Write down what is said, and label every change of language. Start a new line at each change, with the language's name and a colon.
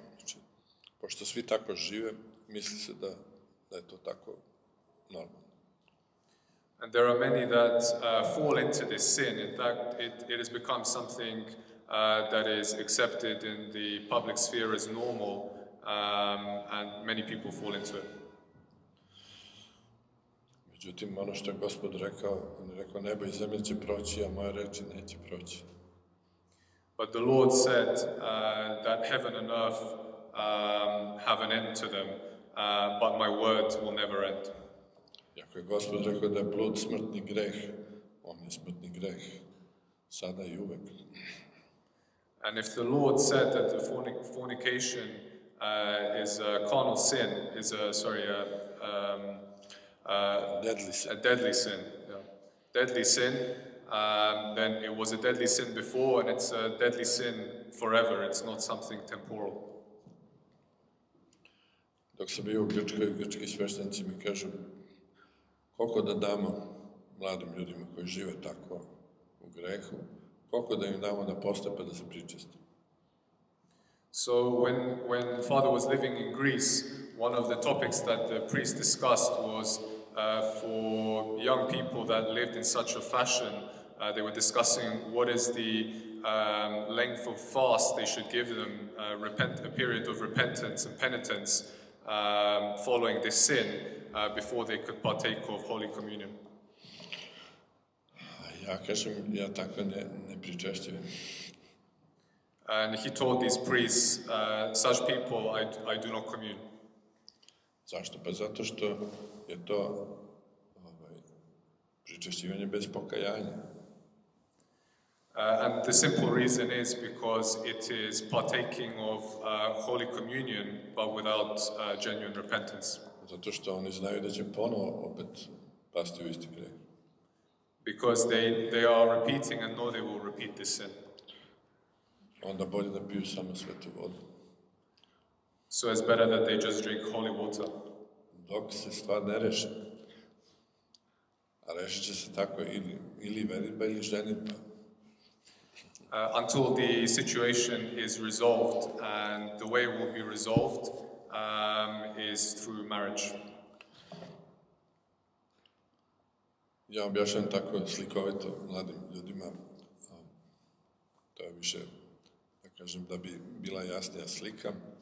Serbian: Znači, pošto svi tako žive, misli se da je to tako normalno.
English: And there are many that fall into this sin. In fact, it has become something that is accepted in the public sphere as normal, and many people fall into it.
Serbian: Međutim, ono što je Gospod rekao, on je rekao, nebo i zemlje će proći, a moje reči neće proći.
English: But the Lord said that heaven and earth have an end to them, but my words will never end.
Serbian: Iako je Gospod rekao da je blud smrtni greh, on je smrtni greh, sada i uvek.
English: And if the Lord said that the fornication is a carnal sin, is a deadly sin, then it was a deadly sin before, and it's a deadly sin forever. It's not something temporal.
Serbian: Dok sam bio u Grčkoj, grčki sveštenici mi kažu, koliko da damo mladim ljudima koji žive tako u grehu, koliko da im damo da poste pa da se pričiste.
English: So when father was living in Greece, one of the topics that the priest discussed was for young people that lived in such a fashion, they were discussing what is the length of fast they should give them, a period of repentance and penitence following this sin before they could partake of Holy Communion.
Serbian: Ja kažem, ja tako ne pričešćujem.
English: And he told these priests, such people, I do not commune.
Serbian: Zašto? Pa zato što je to pričešćivanje bez pokajanja.
English: And the simple reason is because it is partaking of Holy Communion, but without genuine repentance.
Serbian: Zato što oni znaju da će ponovo opet pasti u isti greh.
English: Because they are repeating and know they will repeat this sin.
Serbian: Onda bolje da piju samo svetu vodu.
English: So it's better that they just drink holy water.
Serbian: Dok se stvar ne reši. A rešit će se tako ili veritba ili ženitba.
English: Until the situation is resolved, and the way it will be resolved is through marriage.
Serbian: Ja objašnjam tako slikovito mladim ljudima, to je više, da kažem, da bi bila jasnija slika.